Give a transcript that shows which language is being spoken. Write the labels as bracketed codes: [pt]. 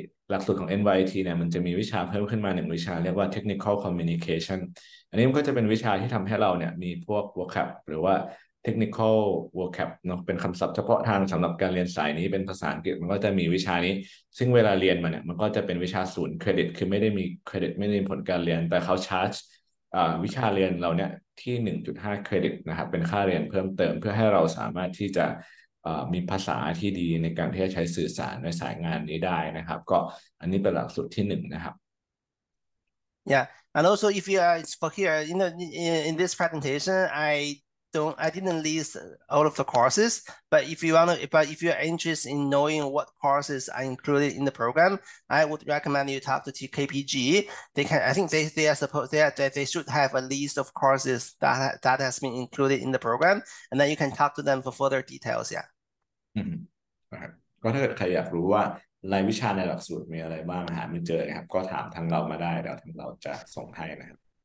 [th] หลักสูตรของ NYT เนี่ยมันจะมีวิชาเพิ่มขึ้นมา1วิชาเรียกว่า Technical Communication อันนี้มันก็จะเป็นวิชาที่ทำให้เราเนี่ยมีพวก vocab หรือว่า Technical vocab เนาะเป็นคำศัพท์เฉพาะทางสำหรับการเรียนสายนี้เป็นภาษาอังกฤษมันก็จะมีวิชานี้ซึ่งเวลาเรียนมาเนี่ยมันก็จะเป็นวิชา0เครดิตคือไม่ได้มีเครดิตไม่ได้มีผลการเรียนแต่เขาชาร์จ วิชาเรียนเราเนี่ยที่ 1.5 เครดิตนะครับเป็นค่าเรียนเพิ่มเติมเพื่อให้เราสามารถที่จะมีภาษาที่ดีในการที่จะใช้สื่อสารในสายงานนี้ได้นะครับก็อันนี้เป็นหลักสูตรที่1นะครับ [en] Yeah and also if you are for here you know in this presentation I didn't list all of the courses but if you are interested in knowing what courses are included in the program I would recommend you talk to KPG they should have a list of courses that has been included in the program and then you can talk to them for further details yeah [th] ก็ถ้าเกิดใครอยากรู้ว่ารายวิชาในหลักสูตรมีอะไรบ้างหาไม่เจอครับก็ถามทางเรามาได้เดี๋ยวทางเราจะส่งให้นะครับ